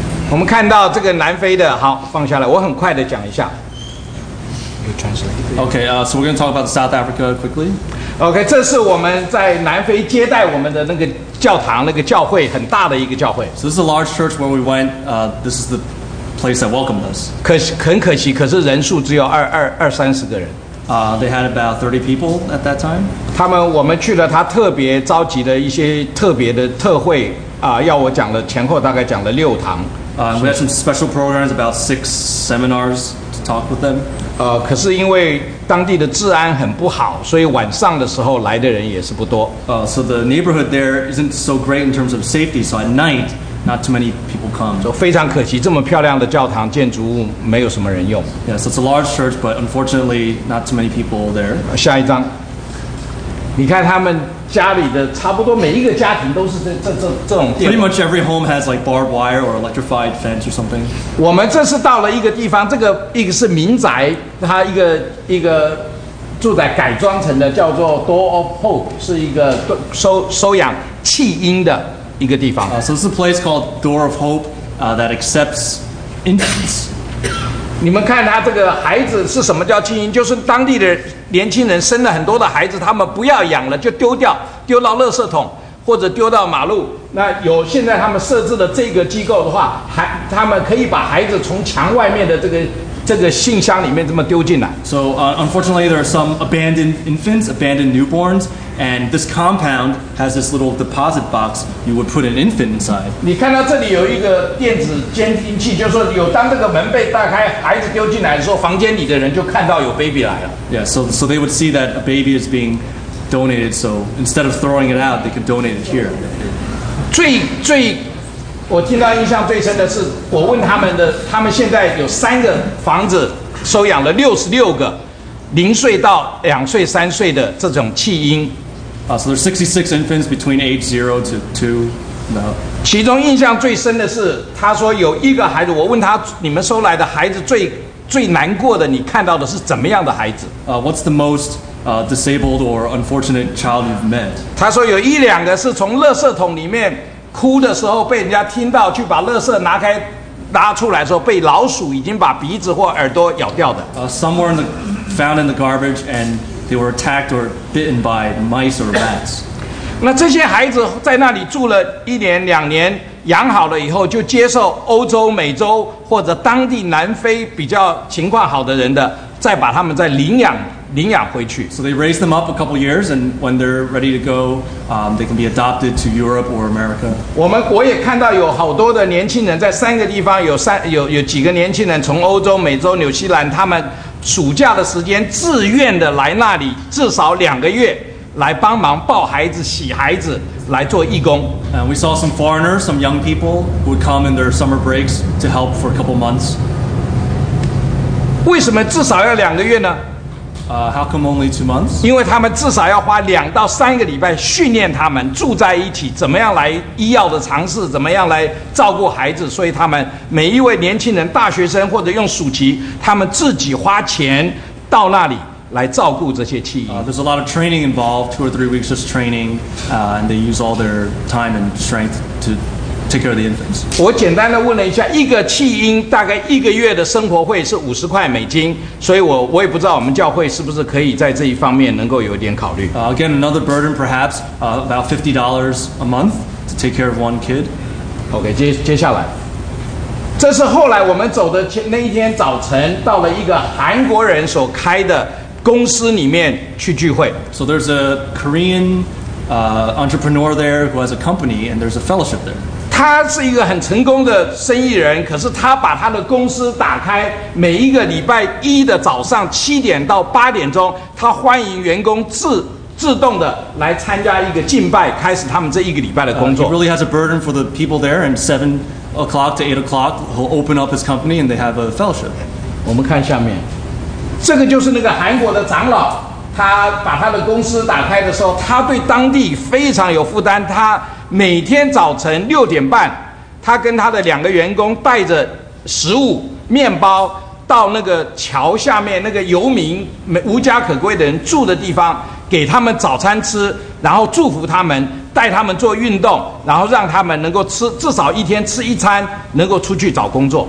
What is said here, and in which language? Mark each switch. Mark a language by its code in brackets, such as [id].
[zh] We 们看到这个南非的，好放下来。我很快的讲一下。 [en] You translate. Okay, so we're going to talk about South Africa quickly. [zh] OK, 这是我们在南非接待我们的那个教堂那个教会很大的一个教会。 [en] So this is a large church where we went, this is the place that welcomed us. [zh] 很可惜可是人数只有二三十个人。 [en] They had about 30 people at that time. [zh] 我们去了他特别召集的一些特别的特会要我讲了前后大概讲了六堂。 [en] We had some special programs, about six seminars to talk with them. [zh] 可是因为当地的治安很不好，所以晚上的时候来的人也是不多。 [en] So the neighborhood there isn't so great in terms of safety. So at night, not too many people come. [zh] So 非常可惜，这么漂亮的教堂建筑物没有什么人用。 [en] Yeah, so it's a large church, but unfortunately, not too many people there. [zh] 下一张，你看他们家里的差不多每一个家庭都是这种电。 [en] Pretty much every home has like barbed wire or electrified fence or something. [zh] 我们这是到了一个地方，这个一个是民宅，它一个住宅改装成的，叫做 Door of Hope， 是一个收养弃婴的一个地方。 [en] So this is a place called Door of Hope, that accepts infants. [zh] 你们看他这个孩子是什么叫弃婴？就是当地的年轻人生了很多的孩子，他们不要养了就丢掉，丢到垃圾桶或者丢到马路。那有现在他们设置的这个机构的话，他们可以把孩子从墙外面的这个信箱里面这么丢进来。 [en] So unfortunately, there are some abandoned infants, abandoned newborns, and this compound has this little deposit box you would put an infant inside. [zh] 你看到这里有一个电子监听器，就是说有当这个门被打开，孩子丢进来的时候，房间里的人就看到有 baby 来了。 [en] Yeah, so they would see that a baby is being donated. So instead of throwing it out, they could donate it here. [zh] 最我听到印象最深的是，我问他们的，他们现在有三个房子收养了66个零岁到两岁三岁的这种弃婴。 [en] So there's 66 infants between age 0 to 2. No. [zh] 其中印象最深的是，他说有一个孩子，我问他，你们收来的孩子最难过的，你看到的是怎么样的孩子？ [en] What's the most disabled or unfortunate child you've met? [zh] 他说有一两个是从垃圾桶里面。哭的时候被人家听到，去把垃圾拿开，拉出来的时候，被老鼠已经把鼻子或耳朵咬掉的。 [en] Some were in the, found in the garbage and they were attacked or bitten by mice or rats. [zh] 那这些孩子在那里住了一年两年，养好了以后就接受欧洲、美洲或者当地南非比较情况好的人的，再把他们再领养回去。 [en] So they raise them up a couple years, and when they're ready to go, they can be adopted to Europe or America. [zh] 我们国也看到有好多的年轻人在三个地方，有几个年轻人从欧洲、美洲、纽西兰，他们暑假的时间自愿的来那里，至少两个月，来帮忙抱孩子、洗孩子，来做义工。 [en] And we saw some foreigners, some young people who would come in their summer breaks to help for a couple months. [zh] 为什么至少要两个月呢？ [en] How come only 2 months? [zh] 因为他们至少要花两到三个礼拜训练他们住在一起，怎么样来医药的尝试，怎么样来照顾孩子。所以他们每一位年轻人、大学生或者用暑期，他们自己花钱到那里来照顾这些弃婴。 [en] There's a lot of training involved, 2 or 3 weeks just training, and they use all their time and strength to take care of the infants. [zh] 我简单的问了一下，一个弃婴大概一个月的生活费是$50，所以我也不知道我们教会是不是可以在这一方面能够有点考虑。 [en] Again, another burden perhaps, about $50 a month to take care of one kid. [zh] Okay, 接下来，这是后来我们走的那一天早晨，到了一个韩国人所开的公司里面去聚会。 [en] So there's a Korean entrepreneur there who has a company, and there's a fellowship there. [zh] 他是一个很成功的生意人，可是他把他的公司打开，每一个礼拜一的早上7点到8点钟，他欢迎员工自动的来参加一个敬拜，开始他们这一个礼拜的工作。 [en] He really has a burden for the people there, and 7 o'clock to 8 o'clock, he'll open up his company and they have a fellowship. [zh] 我们看下面，这个就是那个韩国的长老，他把他的公司打开的时候，他对当地非常有负担，他。每天早晨6点半，他跟他的两个员工带着食物、面包到那个桥下面那个游民无家可归的人住的地方，给他们早餐吃，然后祝福他们，带他们做运动，然后让他们能够吃至少一天吃一餐，能够出去找工作。